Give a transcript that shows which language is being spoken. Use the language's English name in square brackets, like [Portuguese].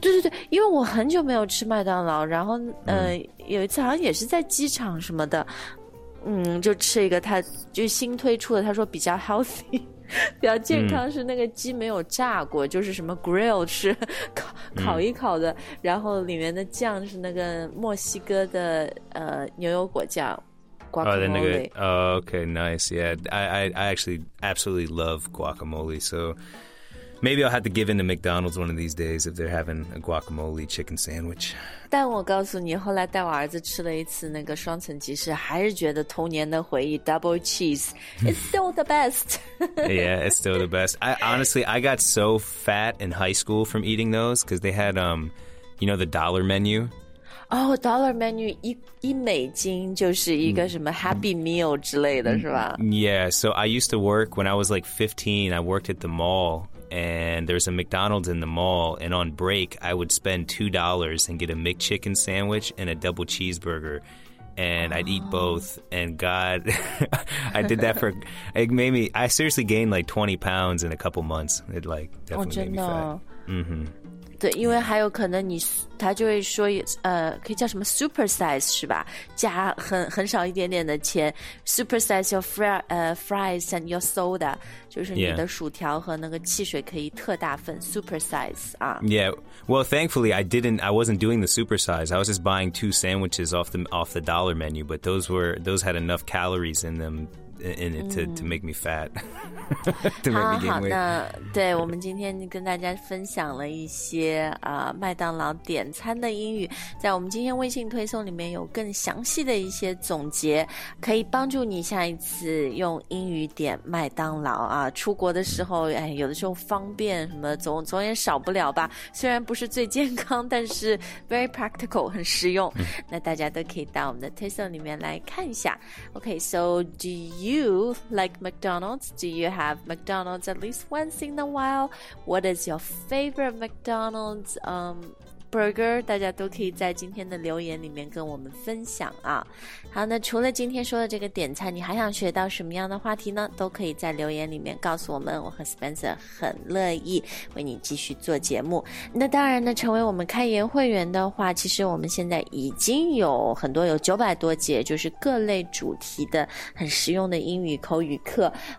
[Chinese] 对对对，因为我很久没有吃麦当劳，然后有一次好像也是在机场什么的，就吃一个，他就新推出的，他说比较 healthy。比较健康是那个鸡没有炸过，就是什么 grill 是烤一烤的，然后里面的酱是那个墨西哥的牛油果酱 guacamole。 [English] 那个 okay, nice. Yeah, I actually absolutely love guacamole. So maybe I'll have to give in to McDonald's one of these days if they're having a guacamole chicken sandwich. [Chinese] 但我告诉你，后来带我儿子吃了一次那个双层吉士，还是觉得童年的回忆 [English] double cheese is still the best. Yeah, it's still the best. I honestly got so fat in high school from eating those because they had, you know, the dollar menu. [Chinese] Oh, dollar menu, 一美金就是一个什么 happy meal 之类的是吧？ [English] Yeah, so I used to work when I was like 15, I worked at the mall. And there's a McDonald's in the mall, and on break, I would spend $2 and get a McChicken sandwich and a double cheeseburger, and I'd eat both, and God, I did that for, it made me, I seriously gained like 20 pounds in a couple months, it like definitely made me fat. Mm-hmm. [Chinese] 对，因为还有可能你他就会说，可以叫什么 super size 是吧？加很少一点点的钱 ， [English] super size your fries and your soda， [Chinese] 就是你的薯条和那个汽水可以特大份 super size 啊。 [English] Yeah, well, thankfully I wasn't doing the super size. I was just buying two sandwiches off the dollar menu, but those had enough calories in them. In it to make me fat. [Chinese] 好好，那对我们今天跟大家分享了一些麦当劳点餐的英语，在我们今天微信推送里面有更详细的一些总结，可以帮助你下一次用英语点麦当劳啊。出国的时候，哎，有的时候方便什么，总也少不了吧。虽然不是最健康，但是 [English] very practical， [Chinese] 很实用。那大家都可以到我们的推送里面来看一下。 [English] Okay, so do you like McDonald's? Do you have McDonald's at least once in a while? What is your favorite McDonald's burger? [Chinese] 大家都可以在今天的留言里面跟我们分享啊。好，那除了今天说的这个点餐，你还想学到什么样的话题呢？都可以在留言里面告诉我们，我和 Spencer 很乐意为你继续做节目。那当然呢，成为我们开言会员的话，其实我们现在已经有很多，有900多节，就是各类主题的很实用的英语口语课。